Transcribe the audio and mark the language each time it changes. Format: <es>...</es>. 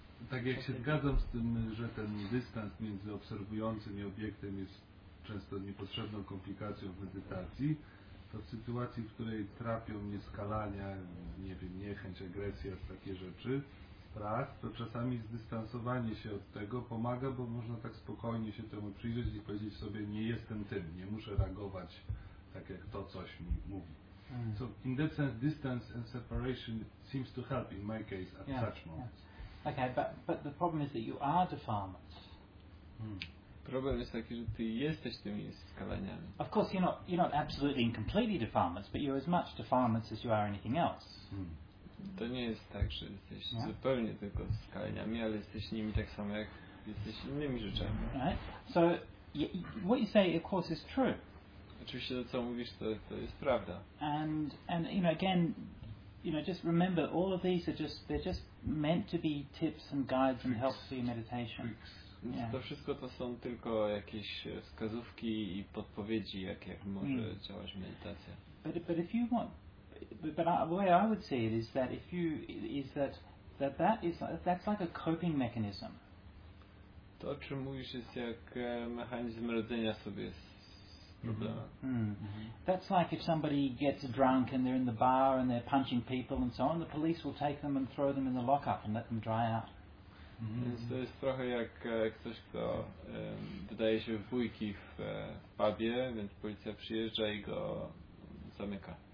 <pl>Tak jak się zgadzam z tym, że ten dystans między obserwującym i obiektem jest często niepotrzebną komplikacją w medytacji, to w sytuacji, w której trapią mnie skalania, nie wiem, niechęć, agresja, takie rzeczy, strach, to czasami zdystansowanie się od tego pomaga, bo można tak spokojnie się temu przyjrzeć i powiedzieć sobie, nie jestem tym, nie muszę reagować tak, jak to coś mi mówi.</pl> <en>So in that sense, distance and separation seems to help in my case at such moments. Okay, but the problem is that you are defilements.</en> <pl>Problem jest taki, że ty jesteś tymi skaleniami.</pl> <en>Of course, you're not absolutely and completely defilements, but you're as much defilements as you are anything else.</en> <pl>To nie jest tak, że jesteś zupełnie tylko skaleniami, ale jesteś nimi tak samo jak jesteś innymi rzeczami.</pl> <en>Right? So what you say, of course, is true.</en> <pl>Oczywiście to, co mówisz, to jest prawda.</pl> <en>And you know, again, you know, just remember, all of these are just they're just meant to be tips and guides and helps for your meditation.</en> <pl>To wszystko to są tylko jakieś wskazówki i podpowiedzi, jak może działać medytacja.</pl> <en>But if you want, but the way I would see it is that if you is that that is that's like a coping mechanism.</en> <pl>To, o czym mówisz, jest jak mechanizm radzenia sobie z problemem.</pl> <en>That's like if somebody gets drunk and they're in the bar and they're punching people and so on, the police will take them and throw them in the lockup and let them dry out.</en> <pl>Więc to jest trochę jak ktoś, kto wydaje się w bójki w pubie, więc policja przyjeżdża i go zamyka.</pl>